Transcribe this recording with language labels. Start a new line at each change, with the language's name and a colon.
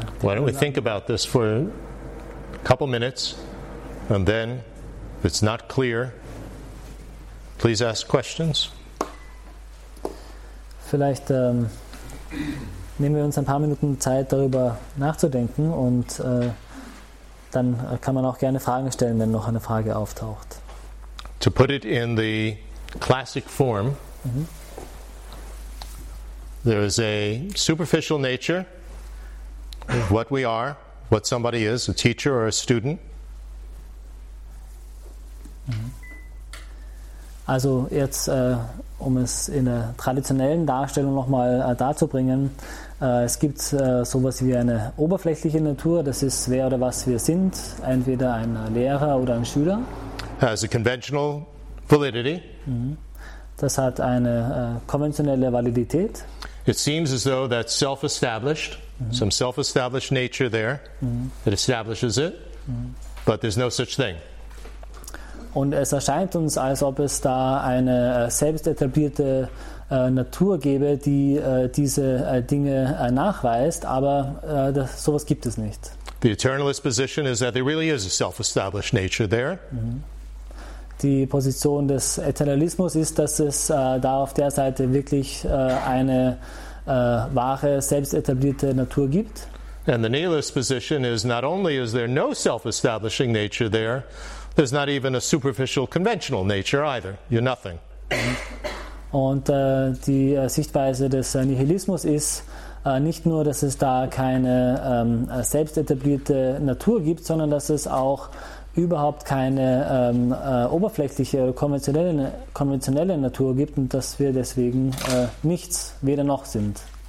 English: why don't we think about this for a couple minutes, and then, if it's not clear, please ask questions.
German: Vielleicht nehmen wir uns ein paar Minuten Zeit, darüber nachzudenken, und dann kann man auch gerne Fragen stellen, wenn noch eine Frage auftaucht.
English: To put it in the classic form, there is a superficial nature of what we are, what somebody is, a teacher or a student.
German: Also jetzt, um es in der traditionellen Darstellung nochmal darzubringen, es gibt sowas wie eine oberflächliche Natur, das ist wer oder was wir sind, entweder ein Lehrer oder ein Schüler.
English: Has a conventional validity.
German: Das hat eine konventionelle Validität.
English: It seems as though that's self-established, some self-established nature there that establishes it, but there's no such thing.
German: Und es erscheint uns, als ob es da eine selbst etablierte Natur gäbe, die diese Dinge nachweist, aber sowas gibt es nicht.
English: The eternalist position is that there really is a self-established nature there.
German: Die Position des Eternalismus ist, dass es da auf der Seite wirklich eine wahre, selbst etablierte Natur gibt.
English: And the nihilist position is not only is there no self-establishing nature there, there's not even a superficial conventional nature either. You're nothing.
German: Und die Sichtweise des Nihilismus ist nicht nur, dass es da keine selbst etablierte Natur gibt, sondern dass es auch überhaupt keine oberflächliche oder konventionelle Natur gibt und dass wir deswegen nichts, weder noch sind.